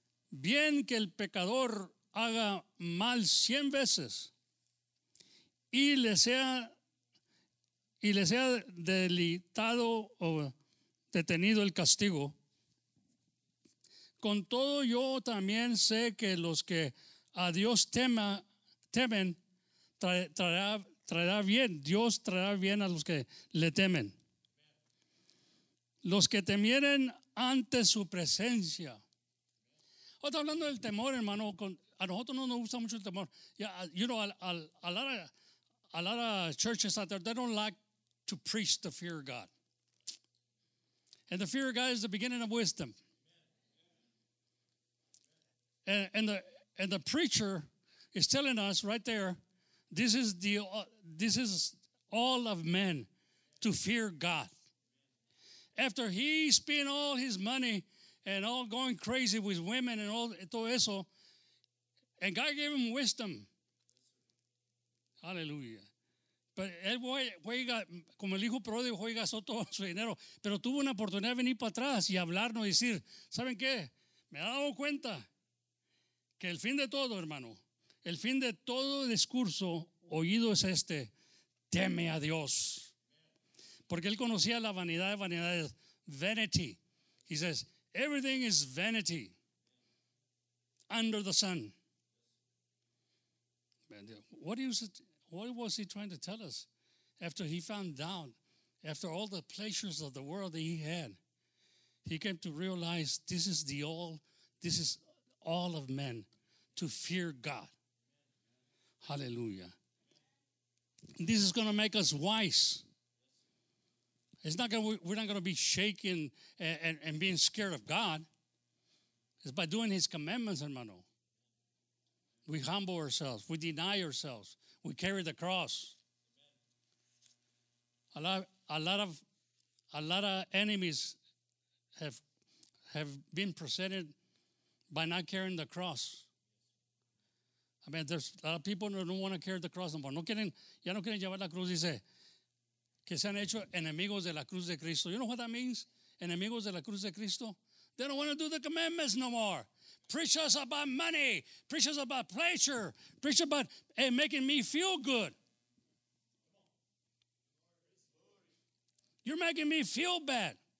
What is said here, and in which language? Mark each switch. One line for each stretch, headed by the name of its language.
Spanish: bien que el pecador haga mal 100 veces y le sea delitado o detenido el castigo, con todo yo también sé que los que a Dios temen traerá bien, Dios traerá bien a los que le temen. Los que temieren ante su presencia. Oh, está hablando del temor, hermano. A nosotros no nos gusta mucho el temor.
English: Yeah, you know, a lot of churches out there, they don't like to preach the fear of God. And the fear of God is the beginning of wisdom. And the preacher is telling us right there, this is all of men to fear God. After he spent all his money and all going crazy with women and all
Spanish: todo eso,
English: and God gave him wisdom.
Spanish: Hallelujah. But él juega, como el hijo pródigo, juega todo su dinero, pero tuvo una oportunidad de venir para atrás y hablarnos y decir, ¿saben qué? Me he dado cuenta que el fin de todo, hermano, el fin de todo discurso oído es este: teme a Dios. Porque él conocía la vanidad de vanidades, vanity.
English: He says, everything is vanity under the sun. What was he trying to tell us? After he found out, after all the pleasures of the world that he had, he came to realize this is all of men to fear God. Hallelujah. This is going to make us wise. We're not going to be shaken and being scared of God. It's by doing his commandments, hermano. We humble ourselves. We deny ourselves. We carry the cross. A lot of enemies have been presented by not carrying the cross. I mean, there's a lot of people who don't want to carry the cross no more.
Spanish: Ya no quieren llevar la cruz, dice, que se han hecho enemigos de la cruz de Cristo.
English: You know what that means?
Spanish: Enemigos de la cruz de Cristo.
English: They don't want to do the commandments no more. Preach us about money. Preach us about pleasure. Preach about making me feel good. You're making me feel bad.